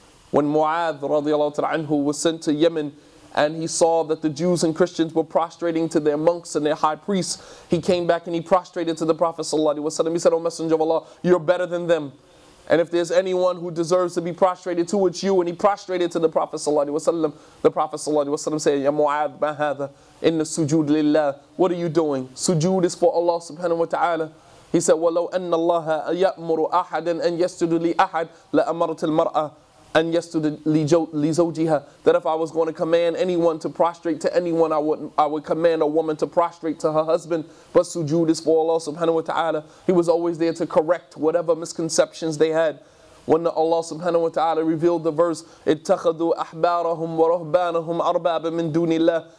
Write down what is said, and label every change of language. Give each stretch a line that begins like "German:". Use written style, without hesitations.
English: When Mu'adh radiallahu ta'ala anhu was sent to Yemen and he saw that the Jews and Christians were prostrating to their monks and their high priests, he came back and he prostrated to the Prophet ﷺ. He said, O Messenger of Allah, you're better than them. And if there's anyone who deserves to be prostrated to, it's you. And he prostrated to the Prophet ﷺ. The Prophet ﷺ said,
Arabic: Ya Mu'adh ma'adha, inna sujood lillah.
English: What are you doing? Sujood is for Allah subhanahu wa ta'ala.
Arabic: He said, وَلَوْ أَنَّ اللَّهَ يَأْمُرُ أَحَدًا أَنْ يَسْجُدُ لِأَحَدٍ لَأَمَرَتِ الْمَرْأَةِ أَنْ يَسْجُدُ لِزَوْجِهَا.
English: That if I was going to command anyone to prostrate to anyone, I would command a woman to prostrate to her husband. But sujood is for Allah subhanahu wa ta'ala. He was always there to correct whatever misconceptions they had. When Allah subhanahu wa ta'ala revealed the verse,
Arabic: اتخذوا أحبارهم ورهبانهم أربابا من دون الله.